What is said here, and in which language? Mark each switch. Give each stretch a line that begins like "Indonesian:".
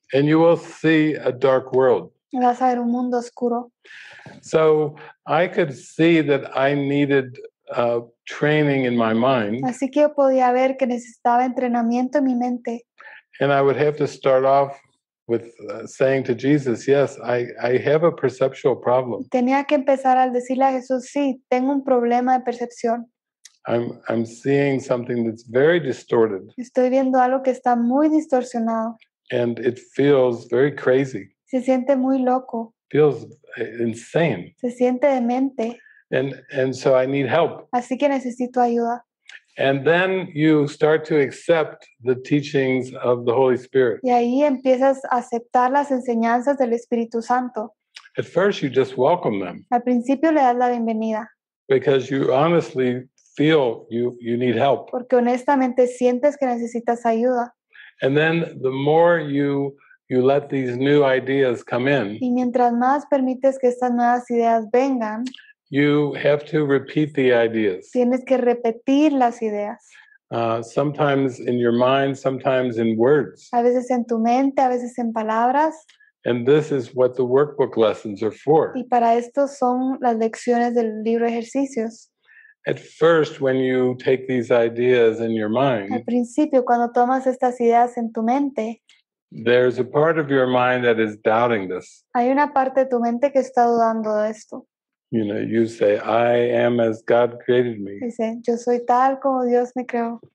English: And you will see a dark world.
Spanish: Vas a ver un mundo oscuro.
English: So I could see that I needed training in my mind.
Spanish: Así que yo podía ver que necesitaba entrenamiento en mi mente.
English: And I would have to start off with saying to Jesus, "Yes, I have a perceptual problem."
Spanish: Tenía que empezar al decirle a Jesús, "Sí, tengo un problema de percepción."
English: I'm seeing something that's very distorted.
Spanish: Estoy viendo algo que está muy distorsionado.
English: And it feels very crazy.
Spanish: Se siente muy loco.
English: Feels insane.
Spanish: Se siente demente.
English: And so I need help.
Spanish: Así que necesito ayuda.
English: And then you start to accept the teachings of the Holy Spirit.
Spanish: Y ahí empiezas a aceptar las enseñanzas del Espíritu Santo.
English: At first you just welcome them.
Spanish: Al principio le das la bienvenida.
English: Because you honestly feel you need help.
Spanish: Porque honestamente sientes que necesitas ayuda.
English: And then the more you let these new ideas come in.
Spanish: Y mientras más permites que estas nuevas ideas vengan.
English: You have to repeat the ideas.
Spanish: Tienes que repetir las ideas.
English: Sometimes in your mind, sometimes in words.
Spanish: A veces en tu mente, a veces en palabras.
English: And this is what the workbook lessons are for.
Spanish: Y para esto son las lecciones del libro de ejercicios.
English: At first, when you take these ideas in your mind.
Spanish: Al principio, cuando tomas estas ideas en tu mente.
English: There's a part of your mind that is doubting this.
Spanish: Hay una parte de tu mente que está dudando de esto.
English: You know, you say, I am as God created me.
Spanish: Dice, yo soy tal como Dios me creó.